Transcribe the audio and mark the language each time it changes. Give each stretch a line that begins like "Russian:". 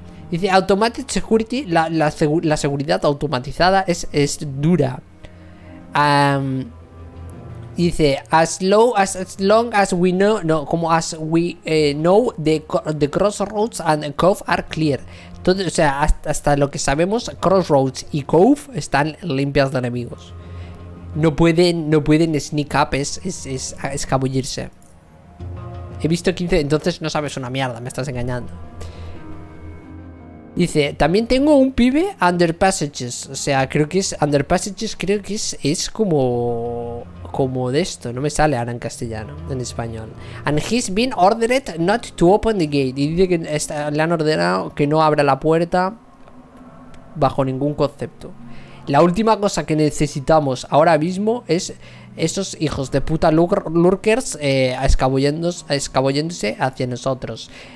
Spanish: Dice, automatic security, la seguridad automatizada es dura.
English: Dice, as long as we know the crossroads and cove are clear.
Spanish: Todo, o sea, hasta lo que sabemos, crossroads y cove están limpias de enemigos. No pueden sneak up, es escabullirse. He visto 15, entonces no sabes una mierda, me estás engañando. Dice, también tengo un pibe under passages. O sea, creo que es under passages, creo que es como... Como de esto, no me sale ahora en castellano, en español.
English: And he's been ordered not to open the gate.
Spanish: Y dice que está, le han ordenado que no abra la puerta bajo ningún concepto. La última cosa que necesitamos ahora mismo es esos hijos de puta lurkers escabulléndose hacia nosotros.